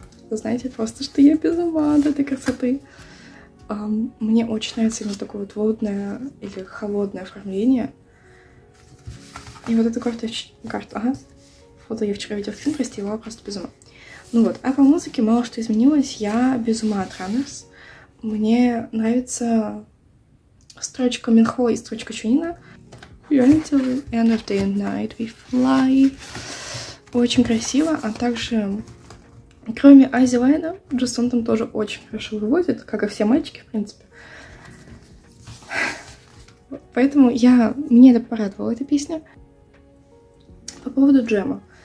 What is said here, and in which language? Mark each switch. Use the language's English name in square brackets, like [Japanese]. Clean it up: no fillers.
[Russian] Знаете, просто, что я без ума от этой красоты. Мне очень нравится именно такое вот водное или холодное оформление. И вот эта карта, ага. Фото я вчера видела в Пинтересте, его просто без ума. Ну вот, а по музыке мало что изменилось. Я без ума от Runners. Мне нравится строчка Минхо и строчка Чунина. [English] End of day and night, we fly. [Russian] Очень красиво. А также, кроме Айзи Лайна, Джисон там тоже очень хорошо выводит, как и все мальчики, в принципе. Поэтому мне это порадовало, эта песня. По поводу Джема.